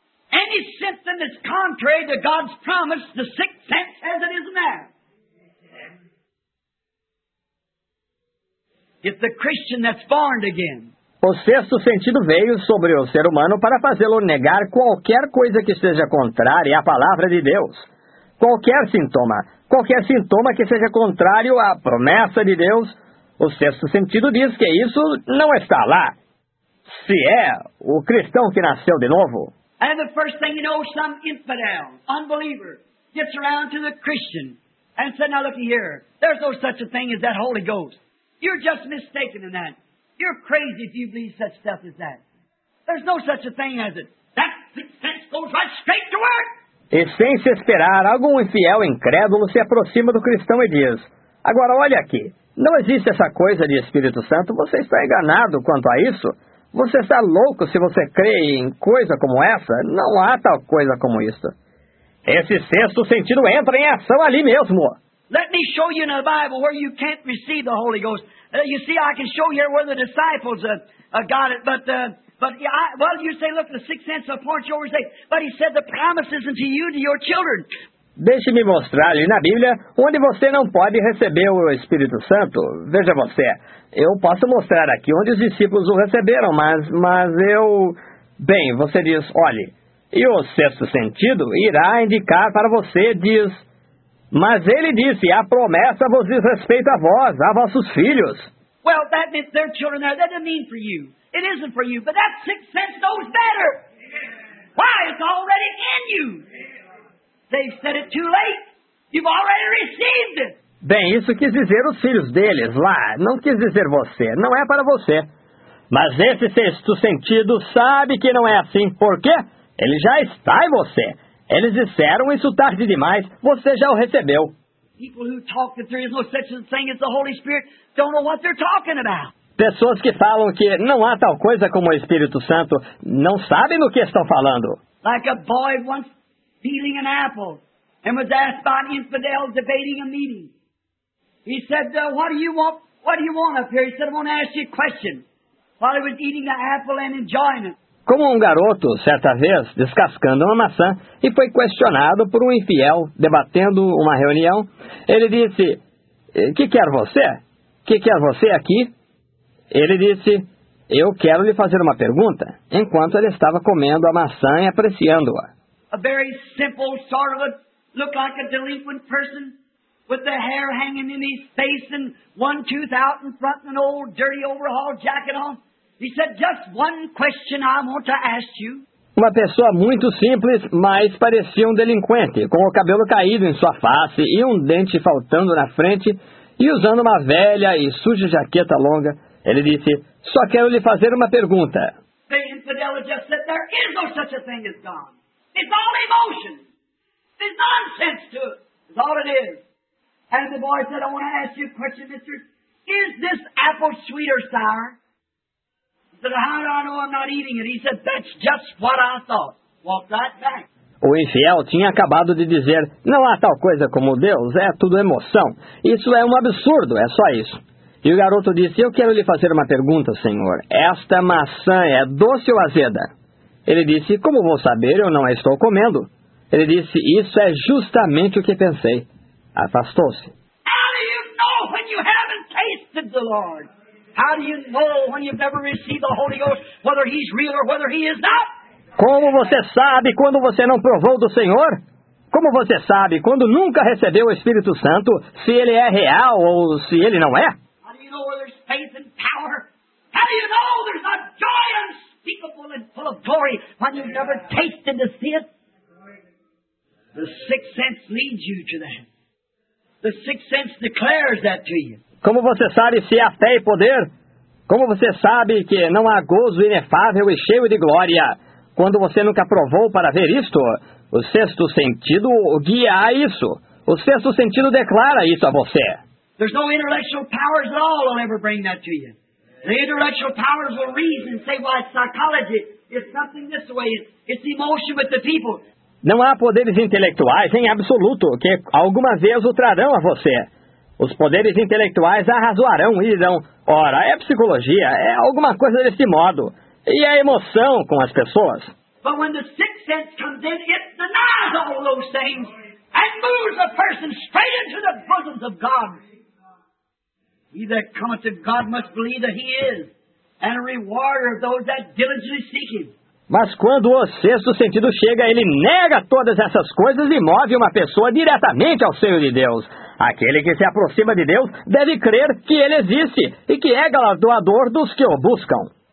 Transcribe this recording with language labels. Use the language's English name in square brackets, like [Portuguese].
[English] Any symptom that's contrary to God's promise, the sixth sense says it isn't there. If the Christian that's born again. [Portuguese] O sexto sentido veio sobre o ser humano para fazê-lo negar qualquer coisa que seja contrária à palavra de Deus. Qualquer sintoma que seja contrário à promessa de Deus, o sexto sentido diz que isso não está lá. Se é o cristão que nasceu de novo. [English] And the first thing you know, some infidel, unbeliever, gets around to the Christian and says, now look here, there's no such a thing as that Holy Ghost. You're just mistaken in that. You're crazy if you believe such stuff as that. There's no such a thing as it. That sense goes right straight to work. [Portuguese] E sem se esperar, algum infiel incrédulo se aproxima do cristão e diz, agora olha aqui, não existe essa coisa de Espírito Santo, você está enganado quanto a isso. Você está louco se você crê em coisa como essa? Não há tal coisa como isso. Esse sexto sentido entra em ação ali mesmo. [English] Let me show you in the Bible where you can't receive the Holy Ghost. You see, I can show here where the disciples got it, but you say, look, the sixth sense of point you always say, but he said the promise isn't to you, to your children. [Portuguese] Deixe-me mostrar ali na Bíblia onde você não pode receber o Espírito Santo. Veja você, eu posso mostrar aqui onde os discípulos o receberam, mas eu... Bem, você diz, olhe, e o sexto sentido irá indicar para você, diz... Mas ele disse, a promessa vos diz respeito a vós, a vossos filhos. [English] Well, that means their children there, that doesn't mean for you. It isn't for you, but that sixth sense knows better. Why? It's already in you. They've said it too late. You've already received it. [Portuguese] Bem, isso quis dizer os filhos deles lá. Não quis dizer você. Não é para você. Mas esse sexto sentido sabe que não é assim. Por quê? Ele já está em você. Eles disseram isso tarde demais. Você já o recebeu. [English] People who talk that there is no such thing as the Holy Spirit don't know what they're talking about. [Portuguese] Pessoas que falam que não há tal coisa como o Espírito Santo não sabem do que estão falando. [English] Like a boy once peeling an apple and was asked by an infidel debating a meeting. He said, what do you want up here? He said, I want to ask you a question. While he was eating the apple and enjoying it. [Portuguese] Como garoto, certa vez, descascando uma maçã, e foi questionado por infiel, debatendo uma reunião, ele disse, que quer você? Que quer você aqui? Ele disse, eu quero lhe fazer uma pergunta, enquanto ele estava comendo a maçã e apreciando-a. [English] A very simple, sort of a, look like a delinquent person, with the hair hanging in his face, and one tooth out in front, and an old, dirty overhaul jacket on. He said, just one question I want to ask you. [Portuguese] Uma pessoa muito simples, mas parecia um delinquente, com o cabelo caído em sua face e um dente faltando na frente, e usando uma velha e suja jaqueta longa, ele disse: "Só quero lhe fazer uma pergunta." [English] The infidel would just sit there. Is no such a thing as God. It's all emotion. There's nonsense to it. It's all it is. And the boy said, "I want to ask you a question, mister. Is this apple sweet or sour?" He said, "How do I know I'm not eating it?" He said, "That's just what I thought." Walked right back. [Portuguese] O infiel tinha acabado de dizer: "Não há tal coisa como Deus, é tudo emoção. Isso é um absurdo, é só isso." E o garoto disse: "Eu quero lhe fazer uma pergunta, senhor. Esta maçã é doce ou azeda?" Ele disse: "Como vou saber? Eu não a estou comendo." Ele disse: "Isso é justamente o que pensei." Afastou-se. [English] How do you know when you haven't tasted the Lord? How do you know when you've never received the Holy Ghost, whether he's real or whether he is not? [Portuguese] Como você sabe quando você não provou do Senhor? Como você sabe quando nunca recebeu o Espírito Santo, se ele é real ou se ele não é? [English] How do you know there's faith and power? How do you know there's a joy unspeakable and full of glory when you've never tasted to see it? The sixth sense leads you to that. The sixth sense declares that to you. [Portuguese] Como você sabe se há fé e poder? Como você sabe que não há gozo inefável e cheio de glória? Quando você nunca provou para ver isto, o sexto sentido guia a isso. O sexto sentido declara isso a você. [English] There's no intellectual powers at all will ever bring that to you. The intellectual powers will reason, say, "Well, it's psychology. It's something this way. It's emotion with the people." [Portuguese] Não há poderes intelectuais em absoluto que alguma vez o trarão a você. Os poderes intelectuais arrazoarão e dirão: "Ora, é psicologia, é alguma coisa desse modo." E a emoção com as pessoas. [English] But when the sixth sense comes in, it denies all those things and moves a person straight into the bosoms of God. He that cometh to God must believe that he is, and a rewarder of those that diligently seek him. [Portuguese] Mas quando o sexto sentido chega, ele nega todas essas coisas e move uma pessoa diretamente ao seio de Deus. Aquele que se aproxima de Deus deve crer que ele existe e que é galardoador dos que o buscam.